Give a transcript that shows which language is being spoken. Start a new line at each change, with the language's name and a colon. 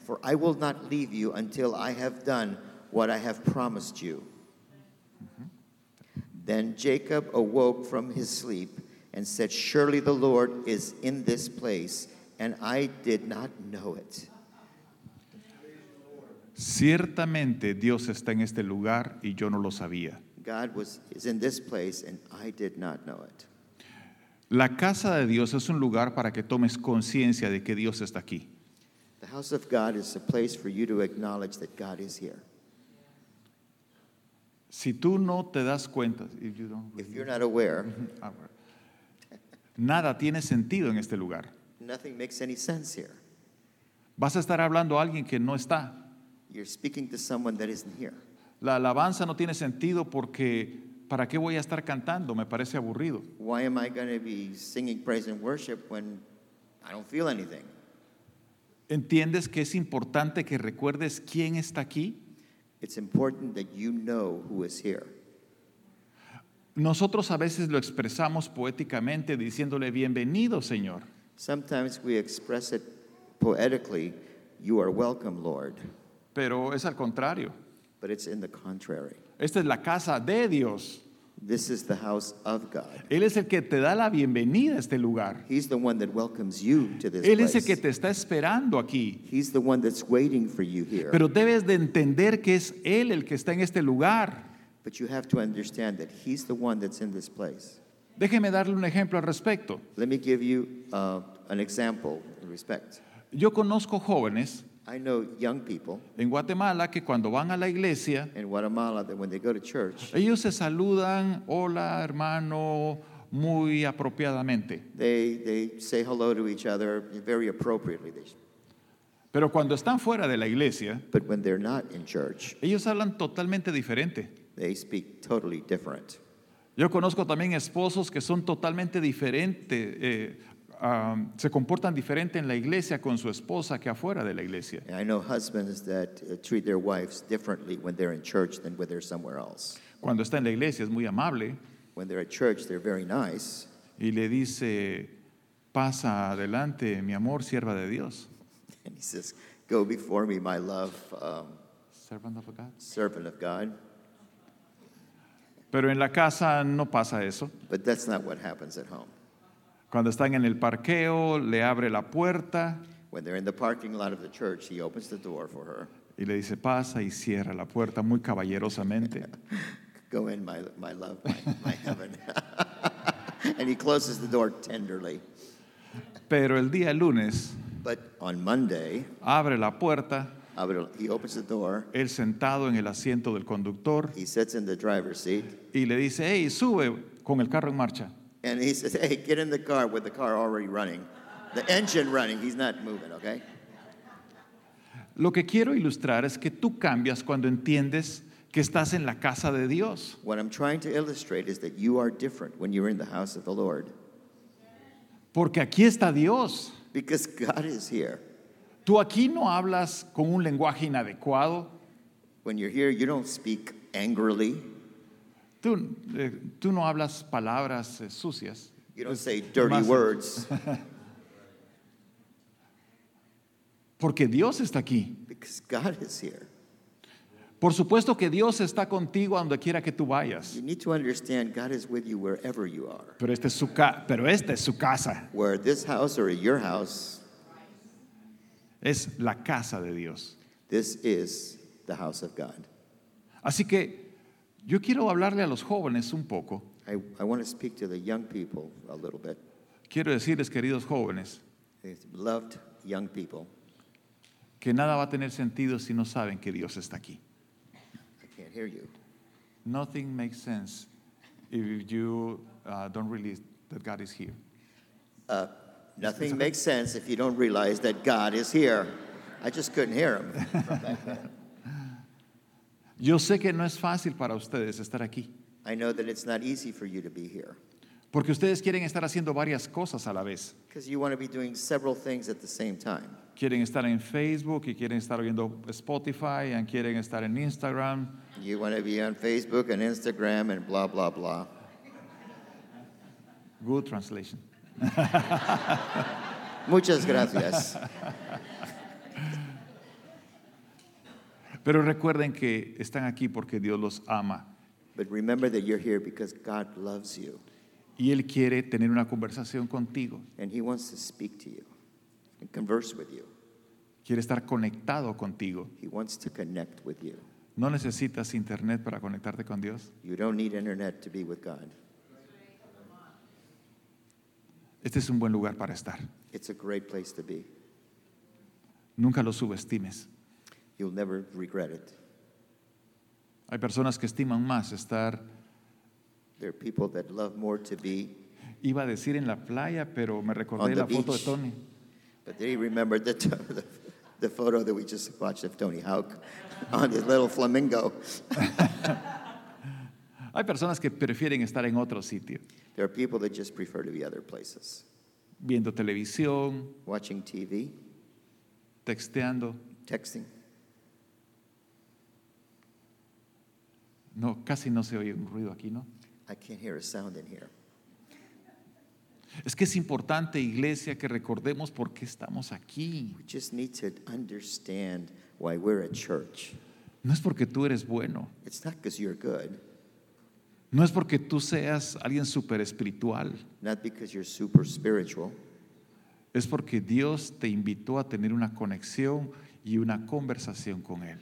English: For I will not leave you until I have done what I have promised you. Mm-hmm. Then Jacob awoke from his sleep and said, surely the Lord is in this place, and I did not know it.
Spanish: Ciertamente Dios está en este lugar y yo no lo sabía.
English: God is in this place and I did not know it.
Spanish: La casa de Dios es un lugar para que tomes conciencia de que Dios está aquí.
English: The house of God is a place for you to acknowledge that God is here.
Spanish: Si tú no te das cuenta,
English: if you don't, if you're not aware,
Spanish: nada tiene sentido en este lugar.
English: Nothing makes any sense here.
Spanish: Vas a estar hablando a alguien que no está.
English: You're speaking to someone that isn't here.
Spanish: La alabanza no tiene sentido porque ¿para qué voy a estar cantando? Me parece aburrido.
English: Why am I going to be singing praise and worship when I don't feel anything?
Spanish: ¿Entiendes que es importante que recuerdes quién está aquí?
English: It's important that you know who is here.
Spanish: Nosotros a veces lo expresamos poéticamente diciéndole bienvenido, Señor.
English: Sometimes we express it poetically, you are welcome, Lord.
Spanish: Pero es al contrario.
English: But it's in the contrary.
Spanish: Esta es la casa de Dios.
English: This is the house of God.
Spanish: Él es el que te da la bienvenida a este lugar.
English: He's the one that welcomes you to this
Spanish: Él es
English: place.
Spanish: El que te está esperando aquí.
English: He's the one that's waiting for you here.
Spanish: Pero debes de entender que es Él el que está en este lugar.
English: But you have to understand that he's the one that's in this place.
Spanish: Déjeme darle un ejemplo al respecto.
English: Let me give you an example in respect.
Spanish: Yo conozco jóvenes
English: I know young people
Spanish: en Guatemala que cuando van a la iglesia,
English: in Guatemala that when they go to church,
Spanish: ellos se saludan, hola hermano, muy apropiadamente.
English: They say hello to each other very appropriately.
Spanish: Pero cuando están fuera de la iglesia,
English: but when they're not in church,
Spanish: ellos hablan totalmente diferente.
English: They speak totally different.
Spanish: Yo conozco también esposos que son totalmente diferentes. Se comportan diferente en la iglesia con su esposa que afuera de la iglesia.
English: I know husbands that treat their wives differently when they're in church than when they're somewhere else.
Spanish: Cuando está en la iglesia es muy amable.
English: When they're at church, they're very nice.
Spanish: Y le dice, pasa adelante, mi amor, sierva de Dios.
English: And he says, go before me, my love. Servant of God. Servant of God.
Spanish: Pero en la casa no pasa eso.
English: But that's not what happens at home.
Spanish: Cuando están en el parqueo, le abre la puerta.
English: When they're in the parking lot of the church, he opens the door for her.
Spanish: Y le dice, pasa y cierra la puerta muy caballerosamente.
English: Go in, my love, my heaven. And he closes the door tenderly.
Spanish: Pero el día lunes,
English: but on Monday,
Spanish: abre la puerta.
English: He opens the door.
Spanish: Él sentado en el asiento del conductor.
English: He sits in the driver's seat.
Spanish: Y le dice, hey, sube con el carro en marcha.
English: And he says, hey, get in the car with the car already running. The engine running. He's not moving, okay?
Spanish: Lo que quiero ilustrar es que tú cambias cuando entiendes que estás en la casa de Dios.
English: What I'm trying to illustrate is that you are different when you're in the house of the Lord.
Spanish: Porque aquí está Dios.
English: Because God is here.
Spanish: Tú aquí no hablas con un lenguaje inadecuado.
English: When you're here, you don't speak angrily.
Spanish: Tú no hablas palabras sucias.
English: You don't say dirty words.
Spanish: Porque Dios está aquí.
English: Because God is here.
Spanish: Por supuesto que Dios está contigo donde quiera que tú vayas.
English: You need to understand God is with you wherever you are.
Spanish: Pero esta es su casa.
English: Where this house or your house.
Spanish: Es la casa de Dios.
English: This is the house of God.
Spanish: Así que yo quiero hablarle a los jóvenes un poco.
English: I want to speak to the young people a little bit.
Spanish: Quiero decirles, queridos jóvenes,
English: loved young people,
Spanish: que nada va a tener sentido si no saben que Dios está aquí.
English: I can't hear you. Nothing makes sense if you don't realize that God is here. Nothing makes sense if you don't realize that God is here. I just couldn't hear him.
Spanish: Yo sé que no es fácil para ustedes estar aquí.
English: I know that it's not easy for you to be here.
Spanish: Porque ustedes quieren estar haciendo varias cosas a la vez.
English: Because you want to be doing several things at the same time.
Spanish: Quieren estar en Facebook y quieren estar viendo Spotify y quieren estar en Instagram.
English: You want to be on Facebook and Instagram and blah, blah, blah. Good translation.
Spanish: Muchas gracias. Pero recuerden que están aquí porque Dios los ama.
English: But remember that you're here because God loves you.
Spanish: Y Él quiere tener una conversación contigo.
English: And He wants to speak to you and converse with you.
Spanish: Quiere estar conectado contigo.
English: He wants to connect with you.
Spanish: ¿No necesitas internet para conectarte con Dios?
English: You don't need internet to be with God.
Spanish: Este es un buen lugar para estar.
English: It's a great place to be.
Spanish: Nunca lo subestimes.
English: You'll never regret it.
Spanish: Hay personas que estiman más estar.
English: There are people that love more to be.
Spanish: Iba a decir en la playa, pero me recordé la foto de Tony.
English: But they remembered the photo that we just watched of Tony Hawk on his little flamingo.
Spanish: Hay personas que prefieren estar en otro sitio.
English: There are people that just prefer to be other places.
Spanish: Viendo televisión.
English: Watching TV.
Spanish: Texteando.
English: Texting.
Spanish: No, casi no se oye un ruido aquí, ¿no?
English: I can't hear a sound in here.
Spanish: Es que es importante, iglesia, que recordemos por qué estamos aquí.
English: We just need to understand why we're a church.
Spanish: No es porque tú eres bueno.
English: It's not because you're good.
Spanish: No es porque tú seas alguien super espiritual.
English: Not because you're super spiritual.
Spanish: Es porque Dios te invitó a tener una conexión y una conversación con Él.